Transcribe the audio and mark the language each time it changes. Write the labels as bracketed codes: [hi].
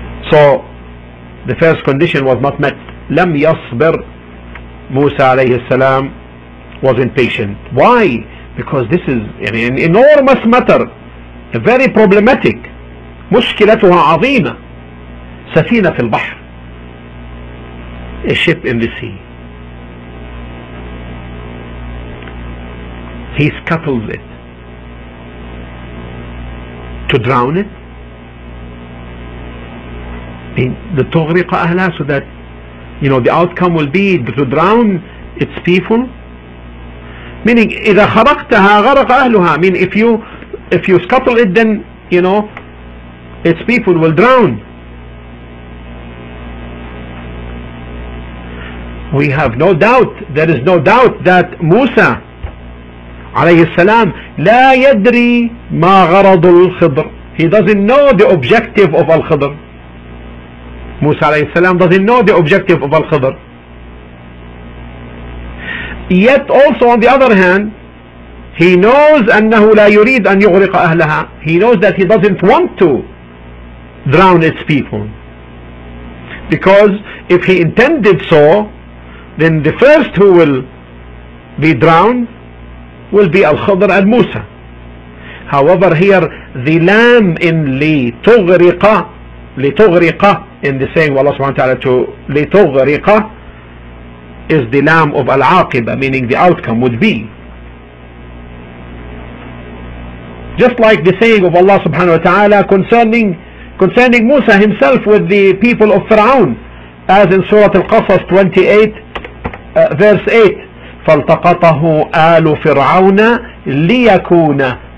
[en] So the first condition was not met. [ar] لم يصبر. [en] موسى عليه السلام was impatient. Why? Because this is an enormous matter, very problematic. [ar] مشكلتها عظيمة. سفينة في البحر, [en] a ship in the sea. He scuttles it to drown it, [ar] لتغرق أهلها, [en] so that you know the outcome will be to drown its people. Meaning, [ar] إذا خرقتها غرق أهلها. [en] Mean, if you scuttle it, then you know its people will drown. We have no doubt, there is no doubt that Musa [ar] عليه السلام لا يدري ما غرض الخضر. [en] He doesn't know the objective of الخضر. موسى عليه السلام doesn't know the objective of الخضر. Yet also on the other hand, he knows [ar] أنه لا يريد أن يغرق أهلها. [en] He knows that he doesn't want to drown its people, because if he intended so, then the first who will be drowned will be الخضر and موسى. However, here the lamb in لتغرق in the saying of Allah subhanahu wa ta'ala to لتغرق is the lamb of العاقبة, meaning the outcome would be just like the saying of Allah subhanahu wa ta'ala concerning Musa himself with the people of Fir'aun, as in Surah Al-Qasas 28 verse 8, [ar] فالتقطه آل فرعون ليكون.